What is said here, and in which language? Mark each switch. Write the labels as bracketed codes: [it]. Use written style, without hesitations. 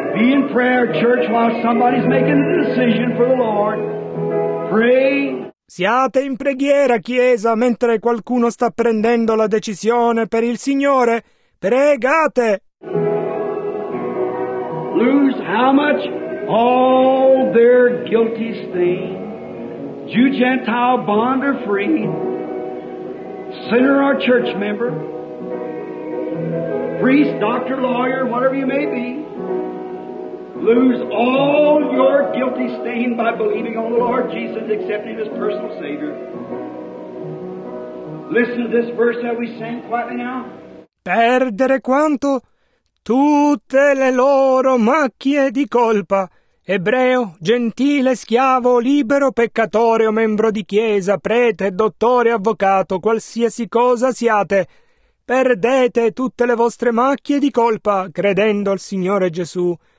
[en] Be in prayer, church, while somebody's making the decision for the Lord. Pray. [it] Siate in preghiera, chiesa, mentre qualcuno sta prendendo la decisione per il Signore. Pregate! [en] Lose how much all their guilty stain. Jew, Gentile, bond or free. Sinner or church member. Priest, doctor, lawyer, whatever you may be. Lose all your guilty stain by believing on the Lord Jesus and accepting Him as personal Savior. Listen to this verse that we sang quietly now. [it] Perdere quanto? Tutte le loro macchie di colpa. Ebreo, gentile, schiavo, libero, peccatore o membro di chiesa, prete, dottore, avvocato, qualsiasi cosa siate. Perdete tutte le vostre macchie di colpa, credendo al Signore Gesù.